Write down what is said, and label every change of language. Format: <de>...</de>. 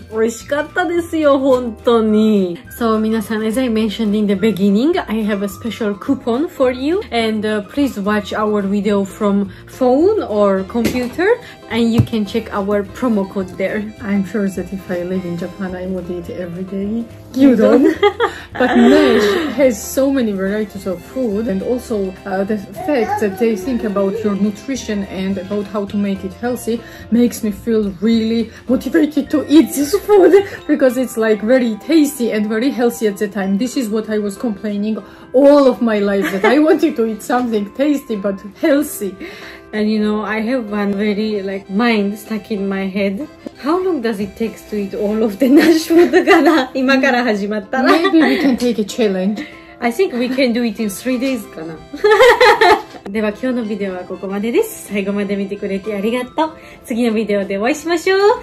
<ja>美味しかったですよ、本当に。</ja> <en>So, 皆さん、as I mentioned in the beginning, I have a special coupon for you. And please watch our video from phone or computer. And you can check our promo code there. I'm sure that if I live in Japan, I would eat every day. You don't. But Nash has so many varieties of food. And also the fact that they think about your nutrition and about how to make it healthy makes me feel really motivated to eat this food. Because it's like very tasty and very... healthy at the time. This is what I was complaining all of my life that I wanted to eat something tasty but healthy. And you know, I have one very like mind stuck in my head. How long does it take to eat all of the Nash food?</en> <ja>Kana, から始まったら</ja> <en>Maybe we can take a challenge. I think we can do it in 3 days.</en> <ja>Kana. では今日のビデオはここまでです。最後まで見てくれてありがとう。次のビデオでお会いしましょう。</ja>